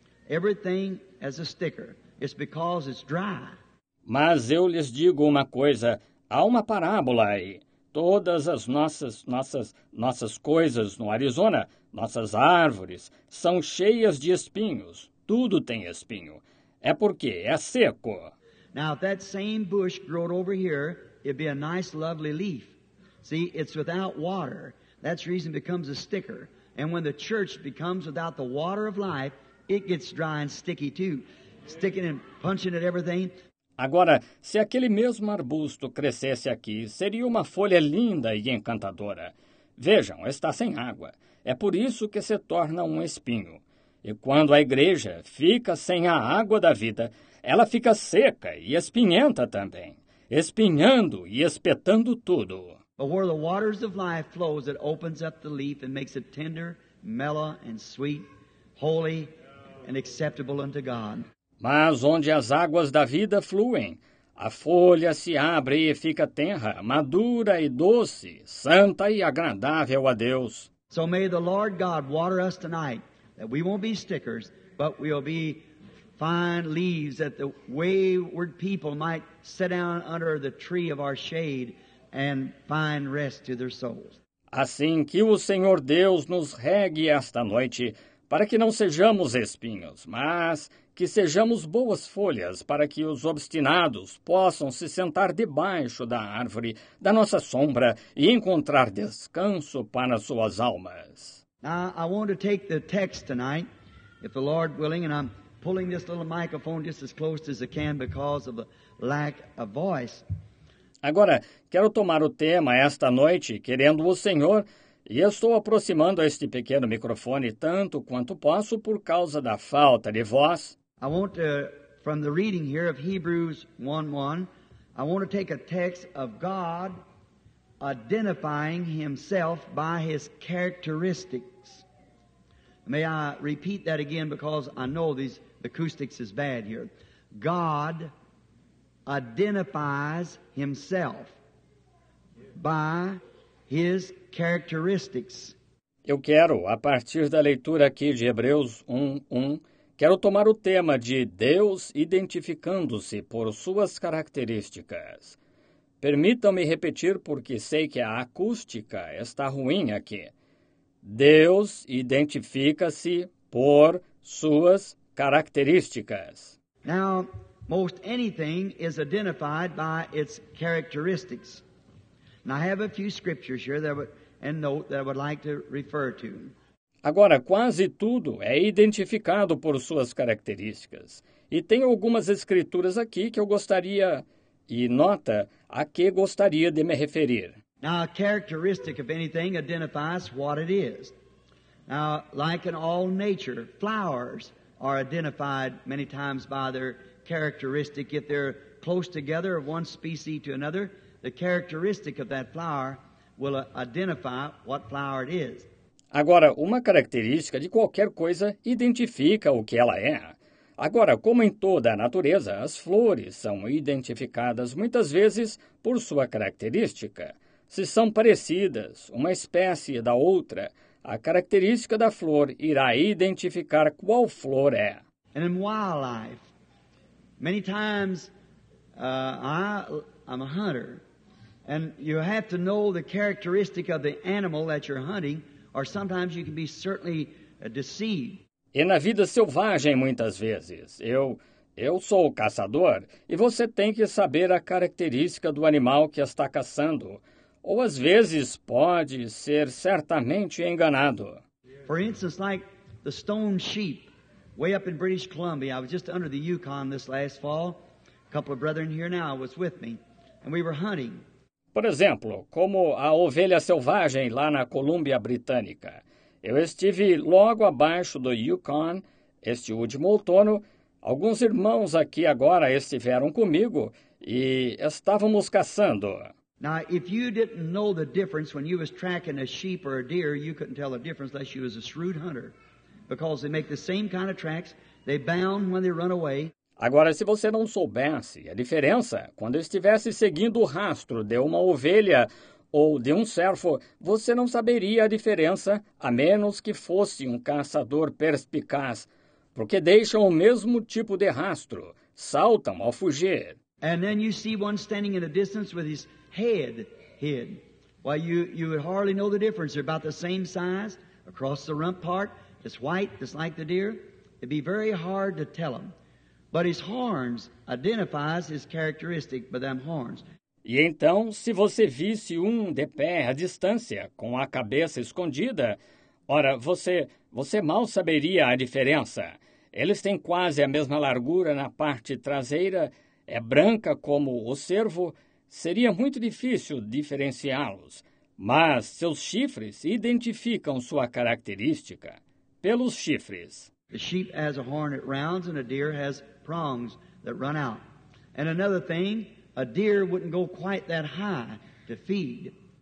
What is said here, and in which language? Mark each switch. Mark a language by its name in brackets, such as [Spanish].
[English] Everything has a sticker. It's because it's dry. [Portuguese] Mas eu lhes digo uma coisa. Há uma parábola aí. Todas as nossas coisas no Arizona, nossas árvores, são cheias de espinhos. Tudo tem espinho. É porque é seco. [English] Now, if that same bush grew over here, it'd be a nice, lovely leaf. See, it's without water. That's reason becomes a sticker. And when the church becomes without the water of life, it gets dry and sticky too. Sticking and punching at everything. [Portuguese] Agora, se aquele mesmo arbusto crescesse aqui, seria uma folha linda e encantadora. Vejam, está sem água. É por isso que se torna um espinho. E quando a igreja fica sem a água da vida, ela fica seca e espinhenta também, espinhando e espetando tudo. [English] But where the waters of life flows, it opens up the leaf and makes it tender, mellow, and sweet, holy, and acceptable unto God. [Portuguese] Mas onde as águas da vida fluem, a folha se abre e fica tenra, madura e doce, santa e agradável a Deus. [English] So may the Lord God water us tonight, that we won't be stickers, but we'll be fine leaves, that the wayward people might sit down under the tree of our shade, and find rest to their souls. [Portuguese] Assim que o Senhor Deus nos regue esta noite, para que não sejamos espinhos, mas que sejamos boas folhas, para que os obstinados possam se sentar debaixo da árvore, da nossa sombra, e encontrar descanso para suas almas. [English] Now, I want to take the text tonight, if the Lord willing, and I'm pulling this little microphone just as close as I can because of the lack of voice. [Portuguese] Agora, quero tomar o tema esta noite, querendo o Senhor, e estou aproximando este pequeno microfone tanto quanto posso por causa da falta de voz. [English] I want to, from the reading here of Hebrews 1:1, I want to take a text of God identifying himself by his characteristics. May I repeat that again because I know these acoustics is bad here. God identifies himself by his characteristics. [Portuguese] Eu quero, a partir da leitura aqui de Hebreus 1:1, quero tomar o tema de Deus identificando-se por suas características. Permitam-me repetir porque sei que a acústica está ruim aqui. Deus identifica-se por suas características. [English] Now, most anything is identified by its characteristics. And I have a few scriptures here that would, and note that I would like to refer to. [Portuguese] Agora, quase tudo é identificado por suas características. E tenho algumas escrituras aqui que eu gostaria, e nota a que gostaria de me referir. [English] Now, a characteristic of anything identifies what it is. Now, like in all nature, flowers are identified many times by their characteristic. If they're close together, of one species to another, the characteristic of that flower will identify what flower it is. [Portuguese] Agora, uma característica de qualquer coisa identifica o que ela é. Agora, como em toda a natureza, as flores são identificadas muitas vezes por sua característica. Se são parecidas, uma espécie da outra, a característica da flor irá identificar qual flor é. [English] And in wildlife, many times I'm a hunter, and you have to know the characteristic of the animal that you're hunting, or sometimes you can be certainly deceived. [Portuguese] E na vida selvagem, muitas vezes, eu sou o caçador e você tem que saber a característica do animal que está caçando. Ou às vezes pode ser certamente enganado. [English] For instance, like the stone sheep. Way up in British Columbia, I was just under the Yukon this last fall. A couple of brethren here now was with me, and we were hunting. [Portuguese] Por exemplo, como a ovelha selvagem lá na Colúmbia Britânica. Eu estive logo abaixo do Yukon este último outono. Alguns irmãos aqui agora estiveram comigo e estávamos caçando. [English] Now, if you didn't know the difference when you was tracking a sheep or a deer, you couldn't tell the difference unless you was a shrewd hunter. Because they make the same kind of tracks, they bound when they run away. [Portuguese] Agora, se você não soubesse a diferença, quando estivesse seguindo o rastro de uma ovelha ou de um cervo, você não saberia a diferença, a menos que fosse um caçador perspicaz, porque deixam o mesmo tipo de rastro, saltam ao fugir. [English] And then you see one standing in the distance with his head hid. Well, you would hardly know the difference. They're about the same size across the rump part. It's white, just like the deer. It'd be very hard to tell him. But his horns identifies his characteristic by them horns. [Portuguese] E então, se você visse um de pé à distância, com a cabeça escondida, ora, você mal saberia a diferença. Eles têm quase a mesma largura na parte traseira, é branca como o cervo. Seria muito difícil diferenciá-los, mas seus chifres identificam sua característica. Pelos chifres. [English] The sheep has a horn at rounds, and a deer has prongs that run out. And another thing, a deer wouldn't go quite that high to feed.